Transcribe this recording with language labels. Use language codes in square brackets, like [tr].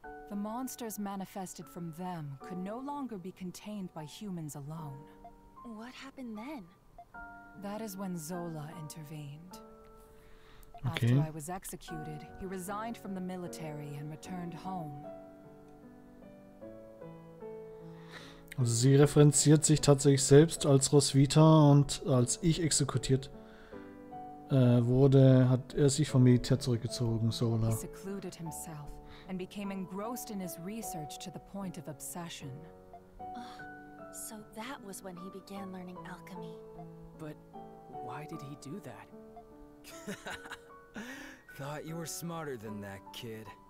[en] The monsters manifested from them could no longer be contained by humans alone. What happened then? That is when Zola intervened. Okay. After I was executed, he resigned from the military and returned home. [de] Sie referenziert sich tatsächlich selbst als Roswitha und als ich exekutiert wurde, hat er sich vom Militär zurückgezogen, Zola. [en] He secluded himself and became engrossed in his research to the point of obsession. Oh, so that was when he began learning alchemy. But why did he do that? Thought you were smarter than that, kid.